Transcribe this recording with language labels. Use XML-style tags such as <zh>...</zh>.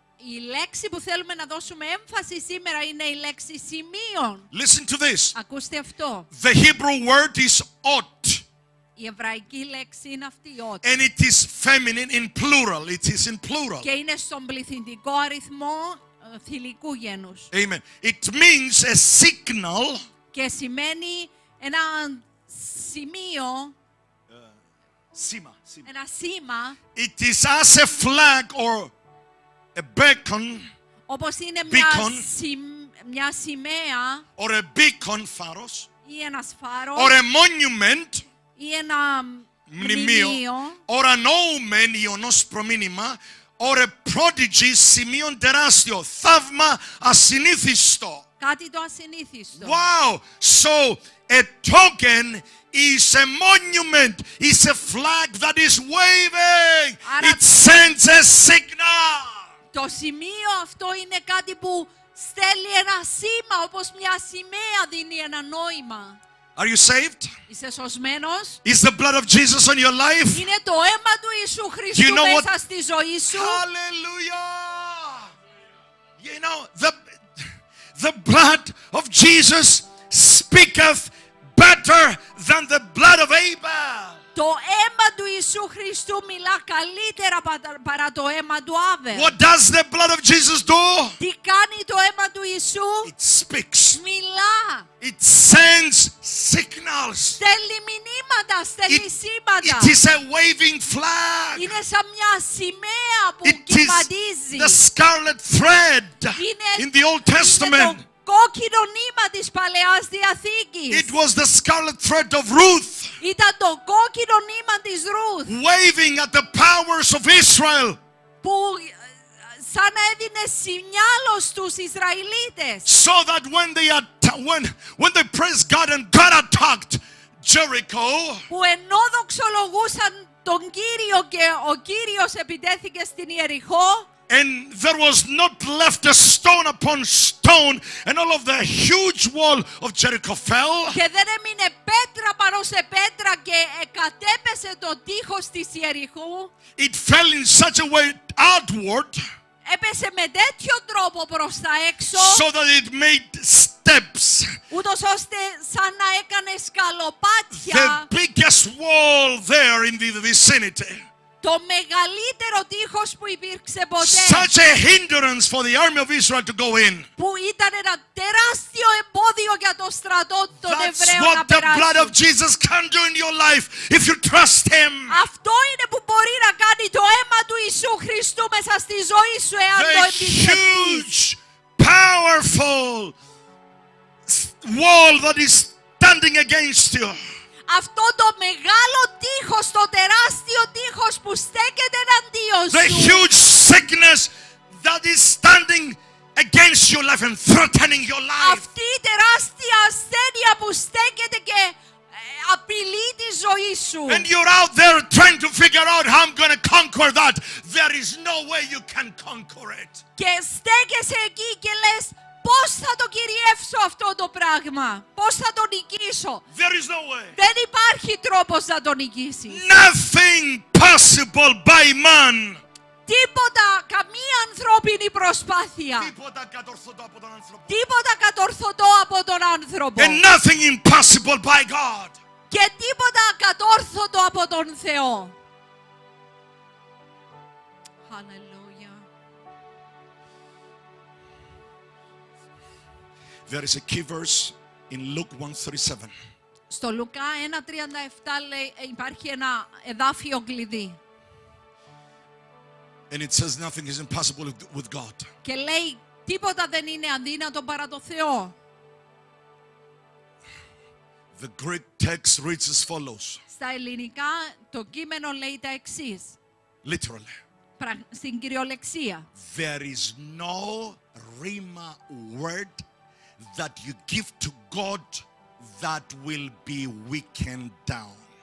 <el>Η λέξη που θέλουμε να δώσουμε έμφαση σήμερα είναι η λέξη σημείων.</el> <en>Listen to this.</en> <el>Ακούστε αυτό.</el> <en>The Hebrew word is ot.</en> <el>Η εβραϊκή λέξη είναι αυτή η ότ.</el> <en>And it is feminine in plural. It is in plural.</en> <el>Και είναι στον πληθυντικό αριθμό.</el> <en>Amen. It means a signal.</en> <el>Και σημαίνει ένα σημείο. Σήμα. Ένα σήμα.</el> <en>It is as a flag or a beacon.</en> <el>Όπως είναι beacon, μια σημαία.</el> <en>Or a beacon, φάρος.</en> <el>Ή ένας φάρος.</el> <en>Or a monument.</en> <el>Ή ένα μνημείο.</el> <en>Or an omen,</en> <el>ιονός προμήνυμα.</el> <en>Or a prodigy,</en> <el>σημείον τεράστιο, θαύμα ασυνήθιστο. Κάτι το ασυνήθιστο.</el> <en>Wow! So, a token is a monument, is a flag that is waving.</en> <el>Άρα,</el> <en>it sends a signal.</en> <el>Το σημείο αυτό είναι κάτι που στέλνει ένα σήμα, όπως μια σημαία δίνει ένα νόημα.</el> <en>Are you saved?</en> <el>Είσαι σωσμένος?</el> <en>Is the blood of Jesus on your life?</en> <el>Είναι το αίμα του Ιησού Χριστού,</el> <en>you know,</en> <el>μέσα στη ζωή σου?</el> <en>Hallelujah! You know, the blood of Jesus speaketh better than the blood of Abel.</en> <el>Το αίμα του Ιησού Χριστού μιλά καλύτερα παρά το αίμα του Άβελ.</el> <en>What does the blood of Jesus do?</en> <el>Τι κάνει το αίμα του Ιησού?</el> <en>It speaks.</en> <el>Μιλά.</el> <en>It sends signals.</en> <el>Στέλνει μηνύματα, στέλνει σήματα.</el> <en>It is a waving flag.</en> <el>Είναι σαν μια σημαία που κυματίζει.</el> <en>The scarlet thread in the Old Testament.</en> <el>Κόκκινο νήμα της Παλαιάς Διαθήκης.</el> <en>It was the scarlet thread of Ruth.</en> <el>Ήταν το κόκκινο νήμα της Ρουθ.</el> <en>Waving at the powers of Israel.</en> <el>Που σαν να έδινε σημειάλο στους Ισραηλίτες.</el> <en>So that when they when they praised God and God attacked Jericho.</en> <el>Που ενώ δοξολογούσαν τον Κύριο και ο Κύριος επιτέθηκε στην Ιεριχώ.</el> <en>And there was not left a stone upon stone, and all of the huge wall of Jericho fell.</en> <el>Και δεν έμεινε πέτρα πάνω σε πέτρα και εκατέπεσε το τείχος της Ιεριχού.</el> <en>It fell in such a way outward.</en> <el>Έπεσε με τέτοιο τρόπο προς τα έξω.</el> <en>So that it made steps.</en> <el>Ούτως ώστε σαν να έκανε σκαλοπάτια.</el> <en>The biggest wall there in the vicinity.</en> <el>Το μεγαλύτερο τείχος που υπήρξε ποτέ.</el> <en>Such a hindrance for the army of Israel to go in.</en> <el>Που ήταν ένα τεράστιο εμπόδιο για το στρατό των Εβραίων να περάσει.</el> <en>That's what the blood of Jesus can do in your life if you trust Him.</en> <el>Αυτό είναι που μπορεί να κάνει το αίμα του Ιησού Χριστού μέσα στη ζωή σου εάν το εμπιστευτείς.</el> <en>The huge, powerful wall that is standing against you.</en> <el>Αυτό το μεγάλο τείχος, το τεράστιο τείχος που στέκεται εναντίον σου.</el> <en>The huge sickness that is standing against your life and threatening your life.</en> <el>Αυτή η τεράστια ασθένεια που στέκεται και απειλεί τη ζωή σου.</el> <en>And you're out there trying to figure out how I'm going to conquer that. There is no way you can conquer it.</en> <el>Και στέκεσαι εκεί και λες, πώς θα το κυριεύσω αυτό το πράγμα; Πώς θα το νικήσω;</el> <en>There is no way.</en> <el>Δεν υπάρχει τρόπος να το νικήσεις.</el> <en>Nothing possible by man.</en> <el>Τίποτα, καμία ανθρώπινη προσπάθεια. Τίποτα κατορθωτό από τον άνθρωπο. Τίποτα κατορθωτό από τον άνθρωπο.</el> <en>And nothing impossible by God.</en> <el>Και τίποτα κατόρθωτο από τον Θεό.</el> <en>Hallelujah. There is a key verse in Luke 1:37.</en> <el>Στο Λουκά 1:37 λέει υπάρχει ένα εδάφιο κλειδί.</el> <en>And it says nothing is impossible with God.</en> <el>Και λέει τίποτα δεν είναι αδύνατο παρά το Θεό.</el> <en>The Greek text reads as follows.</en> <el>Στα ελληνικά το κείμενο λέει τα εξής.</el> <en>Literally.</en> <el>Στην κυριολεξία.</el> <en>There is no rhema word that you give to God that will be weakened down.</en>